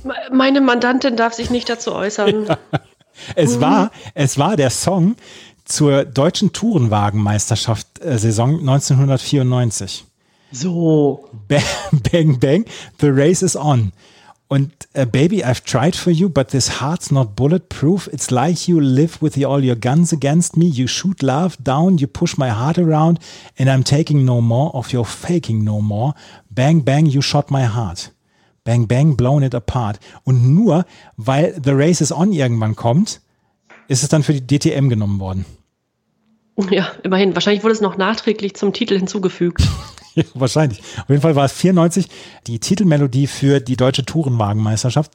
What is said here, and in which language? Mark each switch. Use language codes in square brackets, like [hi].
[de] Meine Mandantin darf sich nicht dazu äußern. Es war der Song zur deutschen Tourenwagenmeisterschaft-Saison 1994. So. [en] Bang, bang, bang, the race is on. Und Baby, I've tried for you, but this heart's not bulletproof. It's like you live with all your guns against me. You shoot love down, you push my heart around, and I'm taking no more of your faking no more. Bang, bang, you shot my heart. Bang, bang, blown it apart. [de] Und nur, weil The Race is On irgendwann kommt, ist es dann für die DTM genommen worden. Ja, immerhin. Wahrscheinlich wurde es noch nachträglich zum Titel hinzugefügt. Ja, wahrscheinlich. Auf jeden Fall war es 94 die Titelmelodie für die Deutsche Tourenwagenmeisterschaft.